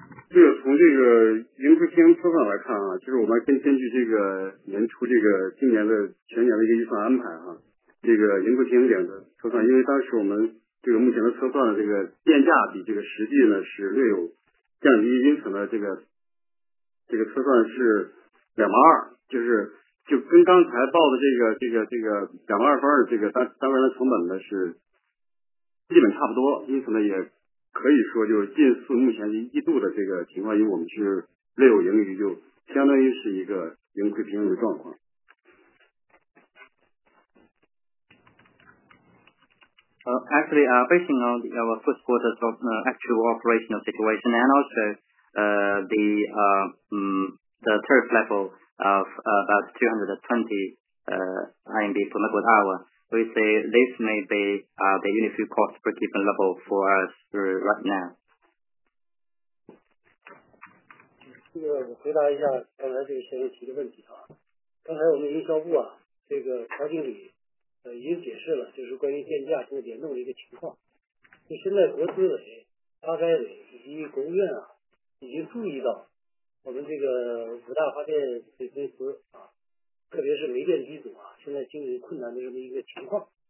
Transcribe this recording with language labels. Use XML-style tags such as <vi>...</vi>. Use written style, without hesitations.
<zh>这个从这个盈亏平衡方来看啊，就是我们根据这个年初这个今年的全年的一个预算安排啊，这个盈亏平衡点的测算，因为当时我们这个目前的测算的这个电价比这个实际呢是略有降低，因此呢这个测算是2.2，就跟刚才报的这个2.2分的这个单位的成本呢是基本差不多，因此呢也可以说就近似目前一度的这个情况，因为我们是略有盈余，就相当于是一个盈亏平衡的状况。</zh> <en>Actually, based on our first quarter's actual operational situation and also the tariff level of about 220 RMB per megawatt hour, we say this may be the unit fuel cost break even level for us right now.</en> <zh>已经解释了，就是关于电价这个联动的一个情况。就现在国资委、发改委以及国务院啊，已经注意到我们这个五大发电的公司啊，特别是煤电机组啊，现在经营困难的这么一个情况。</zh>